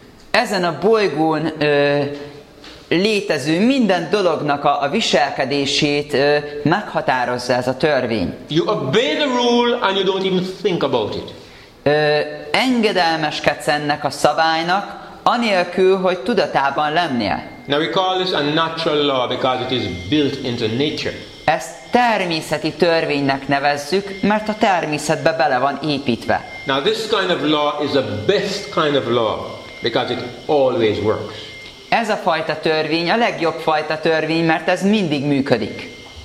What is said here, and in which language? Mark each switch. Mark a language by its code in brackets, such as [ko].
[hu] Ezen a bolygón létező minden dolognak a viselkedését meghatározza ez a törvény. [en] You obey the rule and you don't even think about it. [hu] Engedelmeskedsz ennek a szabálynak, anélkül, hogy tudatában lennél. [en] Now we call this a natural law because it is built into nature. [hu] Ezt természeti törvénynek nevezzük, mert a természetbe bele van építve. [en] Now this kind of law is the best kind of law because it always works. [hu] Ez a fajta törvény a legjobb fajta törvény, mert ez mindig működik.